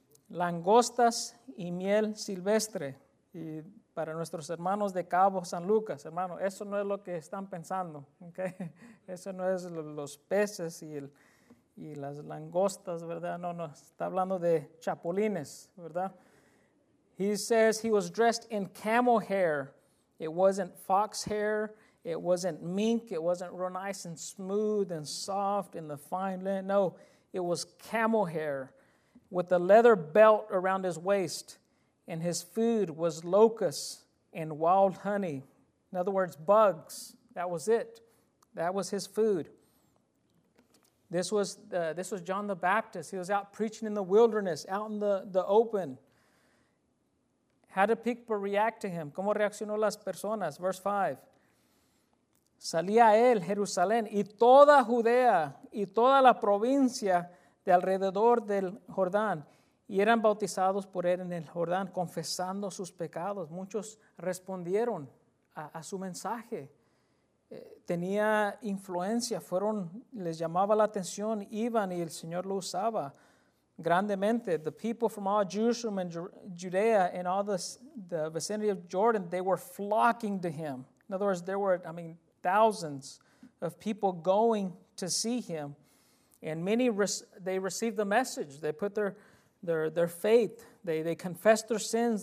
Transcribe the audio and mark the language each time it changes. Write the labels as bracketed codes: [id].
[es] Langostas y miel silvestre. Y para nuestros hermanos de Cabo San Lucas, hermano, eso no es lo que están pensando. Okay? Eso no es los peces y las langostas, ¿verdad? No, está hablando de chapulines, ¿verdad? [en] He says he was dressed in camel hair. It wasn't fox hair. It wasn't mink. It wasn't real nice and smooth and soft in the fine linen. No. It was camel hair with a leather belt around his waist, and his food was locusts and wild honey. In other words, bugs. That was it. That was his food. This was John the Baptist. He was out preaching in the wilderness, out in the open. How did people react to him? [es] ¿Cómo reaccionó las personas? [en] Verse 5. [es] Salía él, Jerusalén, y toda Judea, y toda la provincia de alrededor del Jordán. Y eran bautizados por él en el Jordán, confesando sus pecados. Muchos respondieron a su mensaje. Tenía influencia, les llamaba la atención, iban y el Señor lo usaba grandemente. [en] The people from all Jerusalem and Judea and all the vicinity of Jordan, they were flocking to him. In other words, thousands of people going to see him, and many they received the message. They put their faith. They confessed their sins.